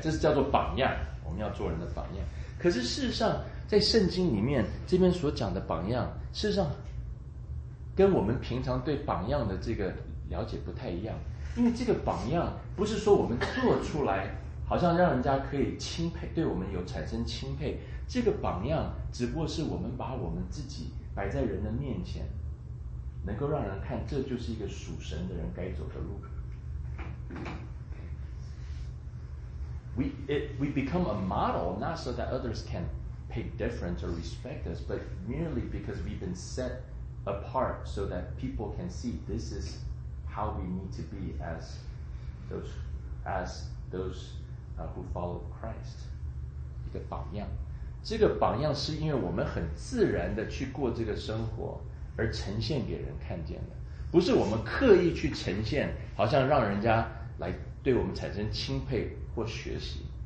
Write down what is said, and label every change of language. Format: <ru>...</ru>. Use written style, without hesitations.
<zh>这是叫做榜样，我们要做人的榜样。可是事实上，在圣经里面这边所讲的榜样，事实上跟我们平常对榜样的这个了解不太一样，因为这个榜样不是说我们做出来。好像让人家可以钦佩，对我们有产生钦佩，这个榜样只不过是我们把我们自己摆在人的面前，能够让人看这就是一个属神的人该走的路。</zh> <en>We become a model not so that others can pay deference or respect us, but merely because we've been set apart so that people can see this is how we need to be as those who follow Christ，</en> <zh>一个榜样。这个榜样是因为我们很自然的去过这个生活而呈现给人看见的，不是我们刻意去呈现，好像让人家来对我们产生钦佩或学习。</zh>